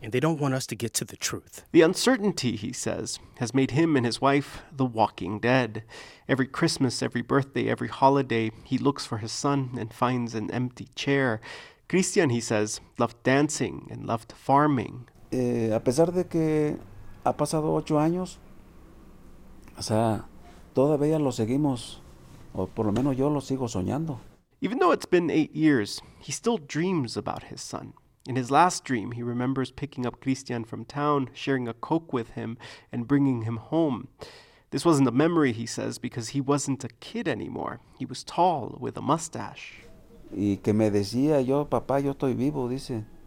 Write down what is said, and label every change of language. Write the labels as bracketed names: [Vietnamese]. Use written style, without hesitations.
[English] And they don't want us to get to the truth. The uncertainty, he says, has made him and his wife the walking dead. Every Christmas, every birthday, every holiday, he looks for his son and finds an empty chair. Christian, he says, loved dancing and loved farming. [Spanish] A pesar de que ha pasado 8 años, o sea, todavía lo seguimos. O por lo menos yo lo sigo soñando. [English] Even though it's been 8 years, he still dreams about his son. In his last dream, he remembers picking up Christian from town, sharing a Coke with him, and bringing him home. This wasn't a memory, he says, because he wasn't a kid anymore. He was tall, with a mustache. [Spanish] Y que me decía yo, papá, yo estoy vivo, dice.